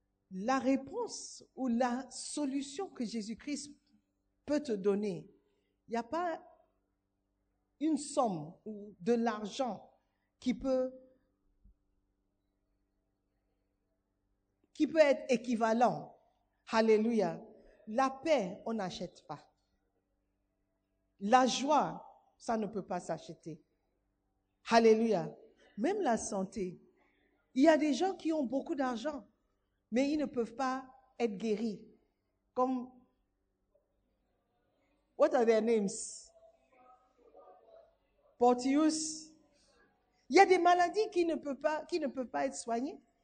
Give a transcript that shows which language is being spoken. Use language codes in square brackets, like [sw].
[fr] la réponse ou la solution que Jésus-Christ peut te donner, il n'y a pas une somme ou de l'argent qui peut être équivalent. Alléluia. La paix, on n'achète pas. La joie, ça ne peut pas s'acheter. Alléluia. Même la santé. Il y a des gens qui ont beaucoup d'argent, mais ils ne peuvent pas être guéris. Comme, [en] what are their names? Porteous. [fr] Il y a des maladies qui ne peuvent pas être soignées.